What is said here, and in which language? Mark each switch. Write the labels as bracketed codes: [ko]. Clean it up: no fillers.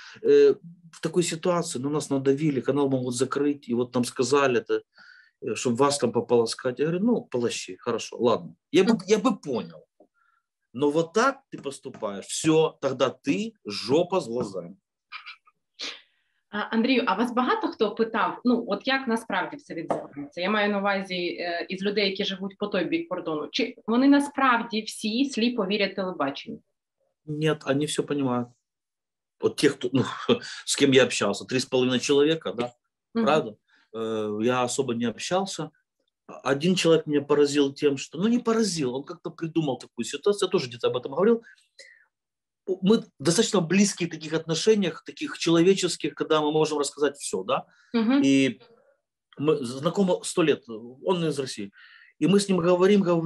[ru] В такой ситуации, ну, нас надавили, канал могут закрыть, и вот там сказали это, чтобы вас там пополоскать. Я говорю: ну, полощи, хорошо, ладно. Я бы понял. Но вот так ты поступаешь, все, тогда ты жопа с глазами. [uk] Андрію, а вас багато хто питав, ну, от як насправді все відбувається? Я маю на увазі із людей, які живуть по той бік кордону. Чи вони насправді всі сліпо вірять телебаченню? Ні, вони все розуміють. От ті, хто, ну, з ким я спілкувався, 3,5 чоловіка, да? Правда? Я особо не спілкувався. Один чоловік мене поразив тим, що, ну, не поразив, він як-то придумав таку ситуацію, я теж десь [ru] об этом [uk] говорив. [ru] Мы достаточно близки в таких отношениях, таких человеческих, когда мы можем рассказать все, да? И мы знакомы 100 лет, он из России. И мы с ним говорим.